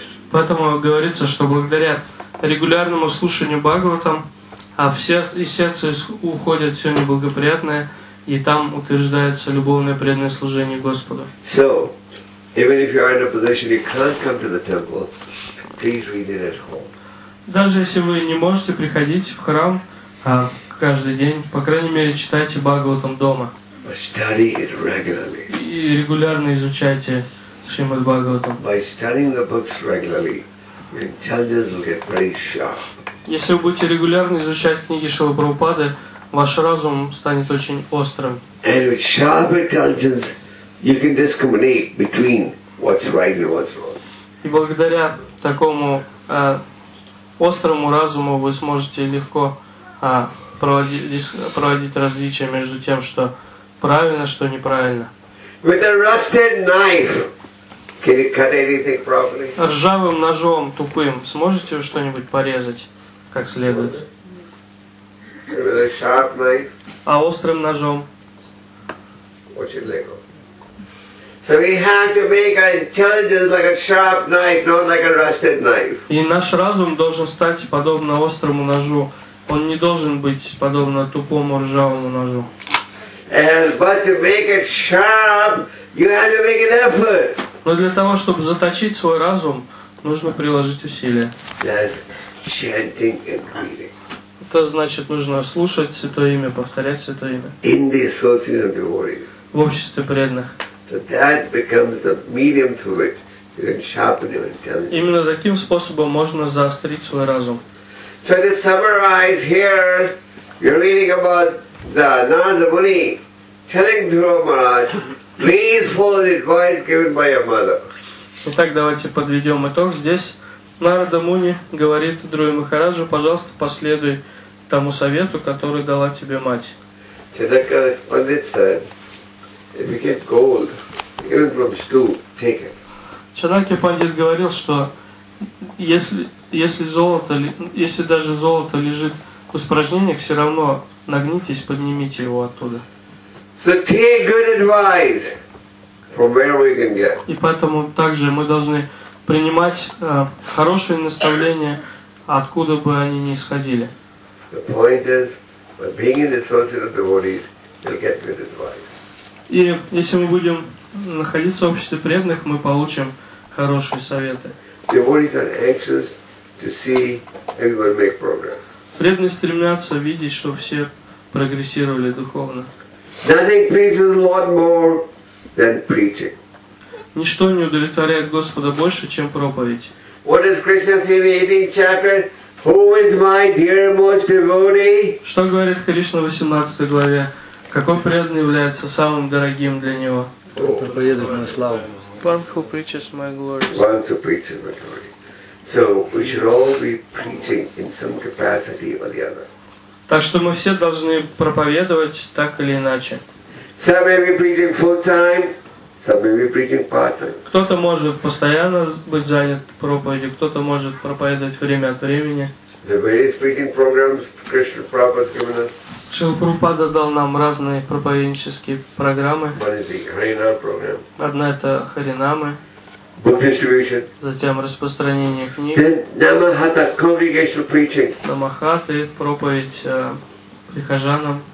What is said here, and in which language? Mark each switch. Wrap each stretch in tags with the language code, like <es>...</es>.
<ru>Поэтому говорится, что благодаря регулярному слушанию Бхагаватам из сердца уходит все неблагоприятное, и там утверждается любовное преданное служение Господу.</ru> <en>So, even if you are in a position you can't come to the temple, please read it at home.</en> <ru>Даже если вы не можете приходить в храм каждый день, по крайней мере, читайте Бхагаватам дома.</ru> <en>Study it regularly.</en> <ru>И регулярно изучайте Шримад Бхагаватам.</ru> <en>By studying the books regularly, your intelligence will get very sharp.</en> <ru>Если вы будете регулярно изучать книги Шрилы Прабхупады, ваш разум станет очень острым.</ru> <en>And with sharp intelligence, you can discriminate between what's right and what's wrong.</en> <ru>И благодаря такому острому разуму вы сможете легко проводить различия между тем, что правильно, что неправильно.</ru> <en>With a rusted knife, can you cut anything properly?</en> <ru>Ржавым ножом тупым сможете вы что-нибудь порезать как следует?</ru> <en>With a sharp knife.</en> <ru>А острым ножом? Очень легко.</ru> <en>So we have to make our intelligence like a sharp knife, not like a rusted knife.</en> <ru>И наш разум должен стать подобно острому ножу. Он не должен быть подобно тупому ржавому ножу.</ru> <en>But to make it sharp, you have to make an effort.</en> <ru>Но для того, чтобы заточить свой разум, нужно приложить усилия.</ru> <en>That's chanting and reading.</en> <ru>Это значит, нужно слушать Святое Имя, повторять Святое Имя.</ru> <en>In the association of devotees.</en> <ru>В обществе преданных.</ru> <en>So that becomes the medium through which you can sharpen your intelligence.</en> <ru>Именно таким способом можно заострить свой разум.</ru> <en>So to summarize here, you're reading about the Narada Muni telling Dhruva Maharaj, please follow the advice given by your mother.</en> <ru>Итак, давайте подведем итог. Здесь Нарада Муни говорит Друи Махараджу, пожалуйста, последуй тому совету, который дала тебе мать.</ru> <en>Чедака Пандит said, if you get gold, even from stew, take it.</en> <ru>Чедака Пандит говорил, что если даже золото лежит в испражнениях, все равно нагнитесь, поднимите его оттуда.</ru> <en>So take good advice from where we can get.</en> <ru>И поэтому также мы должны принимать хорошие наставления, откуда бы они ни исходили.</ru> <en>The point is, by being in the association of devotees, you'll get good advice.</en> <ru>И если мы будем находиться в обществе преданных, мы получим хорошие советы.</ru> <en>Devotees are anxious to see everyone make progress.</en> <ru>Преданные стремятся видеть, что все прогрессировали духовно.</ru> <en>Nothing pleases the Lord more than preaching.</en> <ru>Ничто не удовлетворяет Господа больше, чем проповедь.</ru> <en>What does Krishna say in the 18th chapter? Who is my dearest devotee?</en> <ru>Что говорит Кришна в 18 главе? Какой преданный является самым дорогим для него? Проповедует мою славу.</ru> <en>One who preaches my glory. One who preaches my glory. So we should all be preaching in some capacity or the other.</en> <ru>Так что мы все должны проповедовать так или иначе.</ru> <en>Some may be preaching full time. Some may be preaching part-time.</en> <ru>Кто-то может постоянно быть занят проповедью, кто-то может проповедовать время от времени.</ru> <en>The various preaching programs Krishna Prabhupada has given us.</en> <ru>Шрила Прабхупада дал нам разные проповеднические программы.</ru> <en>One is the Харинам program.</en> <ru>Одна это Харинамы.</ru> <en>Book distribution.</en> <ru>Затем распространение книг.</ru> <en>Then Намахата, congregational preaching.</en> <ru>Намахаты, проповедь прихожанам.</ru>